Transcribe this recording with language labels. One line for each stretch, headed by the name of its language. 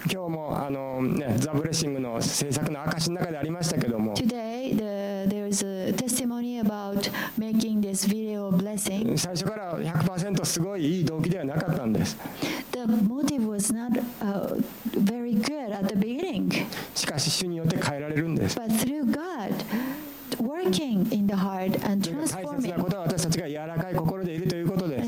Japanese: 今日もザ・ブレッシングの制作の証の中でありましたけども。
English: Today, there is a testimony about making this video blessing.
Japanese: 最初から 100% すごいいい動機ではなかったんです。
English: The motive was not very good at the beginning.
Japanese: しかし主によって変えられるんです。
English: But through God,Working in the heart and transforming.
Japanese: 大切なことは私たちが柔らかい心でいるということです。